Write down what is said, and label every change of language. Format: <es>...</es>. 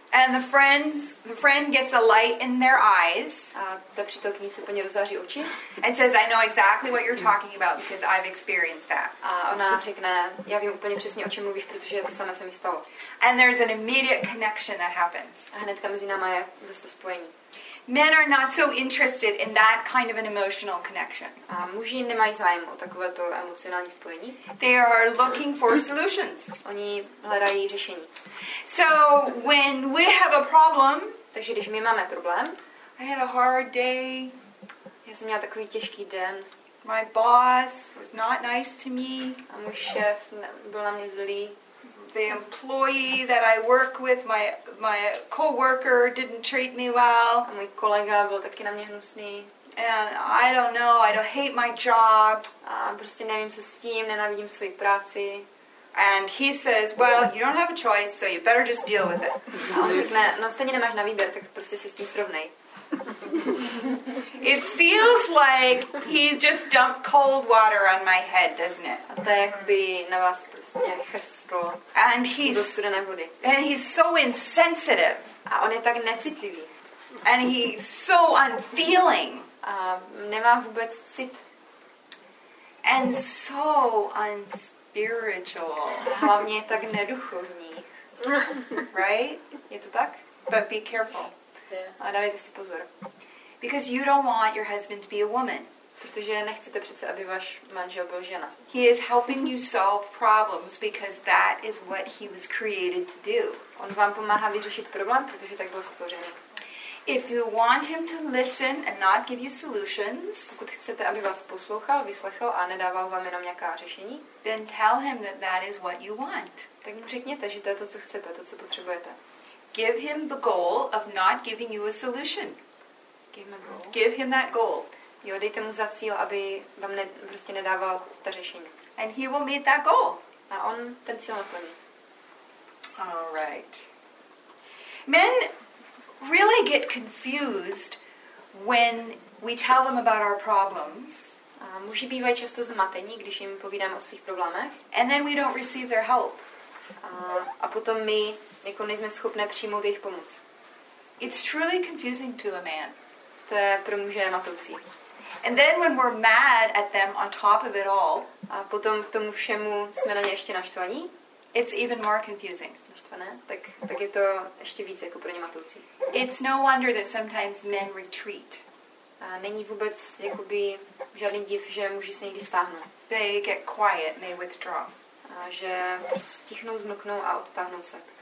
<en>And the friend gets a light in their eyes.</en> <cs>A ta přítelkyní se úplně rozzáří oči.</cs> <en>And says, I know exactly what you're talking about because I've experienced that.</en> <cs>A ona řekne, já vím úplně přesně, o čem mluvíš, protože to samé se mi stalo.</cs> <en>And there's an immediate connection that happens.</en> <cs>A hnedka mezi náma je zase to spojení.</cs> <en>Men are not so interested in that kind of an emotional connection.</en> <cs>A muži nemají zájem o takovéto emocionální spojení.</cs> <en>They are looking for solutions.</en> <cs>Oni hledají řešení.</cs> <en>So when we have a problem,</en> <cs>takže když my máme problém,</cs> <en>I had a hard day.</en> <cs>Já jsem měla takový těžký den.</cs> <en>My boss was not nice to me.</en> <cs>A můj šéf byl na mě zlý.</cs> <en>The employee that I work with, my co-worker, didn't treat me well.</en> <cs>A můj kolega byl taky na mě hnusný.</cs> <en>And I don't know, I don't hate my job.</en> <cs>A prostě nevím, co s tím, nenávidím svoji práci.</cs> <en>And he says, well, you don't have a choice, so you better just deal with it.</en> <cs>No, řekne, no stejně nemáš na výběr, tak prostě se s tím srovnej.</cs> <en>It feels like he just dumped cold water on my head, doesn't it?</en> <cs>A to je jakoby na vás prostě chrstlo.</cs> <en>And he's</en> <cs>do studené vody.</cs> <en>And he's so insensitive.</en> <cs>A on je tak necitlivý.</cs> <en>And he's so unfeeling.</en> <cs>A nemá vůbec cit.</cs> <en>And so unspiritual.</en> <cs>Hlavně je tak neduchovní.</cs> <en>Right?</en> <cs>Je to tak?</cs> <en>But be careful.</en> <cs>A dávajte si pozor.</cs> <en>Because you don't want your husband to be a woman.</en> <cs>Protože nechcete přece, aby váš manžel byl žena.</cs> <en>He is helping you solve problems because that is what he was created to do.</en> <cs>On vám pomáhá vyřešit problém, protože tak byl stvořený.</cs> <en>If you want him to listen and not give you solutions,</en> <cs>pokud chcete, aby vás poslouchal, vyslechl a nedával vám jenom nějaká řešení,</cs> <en>then tell him that that is what you want.</en> <cs>Tak mu řekněte, že to je to, co chcete, to, co potřebujete.</cs> <en>Give him the goal of not giving you a solution. Give him a goal. Give him that goal.</en> <cs>Jo, dejte mu za cíl, aby vám prostě nedával ta řešení.</cs> <en>And he will meet that goal.</en> <cs>A on ten cíl naplní.</cs> <en>All right. Men really get confused when we tell them about our problems.</en> <cs>A muži bývají často zmatení, když jim povídáme o svých problémech.</cs> <en>And then we don't receive their help.</en> <cs>A potom my jako nejsme schopné přijmout jejich pomoc.</cs> <en>It's truly confusing to a man.</en> <cs>To je pro muže matoucí.</cs> <en>And then when we're mad at them on top of it all,</en> <cs>a potom k tomu všemu jsme na ně ještě naštvaní.</cs> <en>It's even more confusing.</en> <cs>Naštvané, tak je to ještě víc jako pro ně matoucí.</cs> <en>It's no wonder that sometimes men retreat.</en> <cs>A není vůbec jakoby žádný div, že muži se někdy stáhnou.</cs> <en>They get quiet, they withdraw.</en> <cs>A že prostě stichnou, zmlknou a odtáhnou se.</cs>